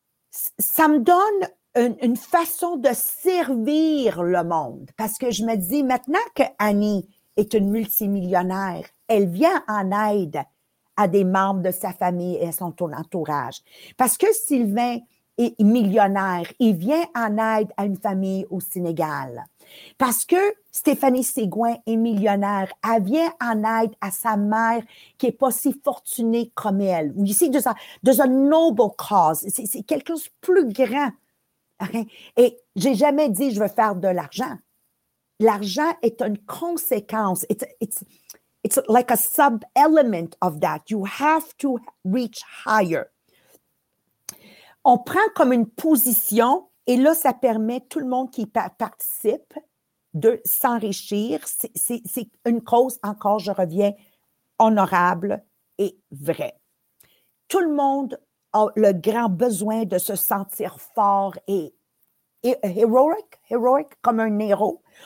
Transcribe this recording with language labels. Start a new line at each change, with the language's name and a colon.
French: Ça me donne une façon de servir le monde parce que je me dis, maintenant que Annie est une multimillionnaire, elle vient en aide à des membres de sa famille et à son entourage. Parce que Sylvain est millionnaire, il vient en aide à une famille au Sénégal. Parce que Stéphanie Ségouin est millionnaire, elle vient en aide à sa mère qui n'est pas si fortunée comme elle. Ou ici,
English: there's a noble cause.
French: C'est quelque chose de plus grand. Et je n'ai jamais dit je veux faire de l'argent. L'argent est une conséquence.
English: It's like a sub-element of that. You have to reach higher.
French: On prend comme une position et là, ça permet tout le monde qui participe de s'enrichir. C'est une cause, encore, je reviens, honorable et vraie. Tout le monde a le grand besoin de se sentir fort et heroic, comme un héros.